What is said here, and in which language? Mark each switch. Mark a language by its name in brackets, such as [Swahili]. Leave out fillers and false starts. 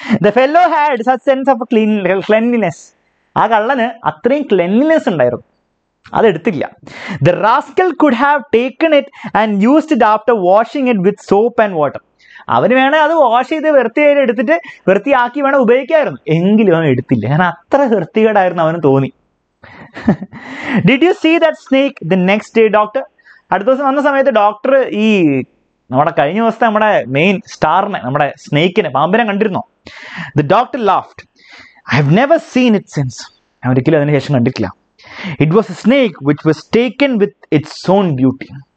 [English] The fellow had such sense of clean cleanliness. [Malayalam] ആ കള്ളന് അത്രയും cleanliness ഉണ്ടായിരുന്നു, അതെടുത്തില്ല. [English] The rascal could have taken it and used it after washing it with soap and water. [Malayalam] അവന് വേണേ അത് wash ചെയ്ത് വൃത്തിയായിട്ട് എടുത്തിട്ട് വൃത്തിയാക്കി വേണം ഉപയോഗിക്കാമായിരുന്നു, എങ്കിലും അവൻ എടുത്തില്ല. കാരണം അത്ര വൃത്തികേടായിരുന്നു അവന് തോന്നി. [English] Did you see that snake the next day, doctor? [Malayalam] അടുത്ത ദിവസം വന്ന സമയത്ത് ഡോക്ടർ ഈ നമ്മുടെ കഴിഞ്ഞ ദിവസത്തെ നമ്മുടെ മെയിൻ സ്റ്റാറിനെ, നമ്മുടെ സ്നേക്കിനെ, പാമ്പിനെ കണ്ടിരുന്നു. [English] The doctor laughed, I have never seen it since. [Malayalam] ഞാൻ ഒരിക്കലും അതിന് ശേഷം കണ്ടിട്ടില്ല. [English] It was a snake which was taken with its own beauty.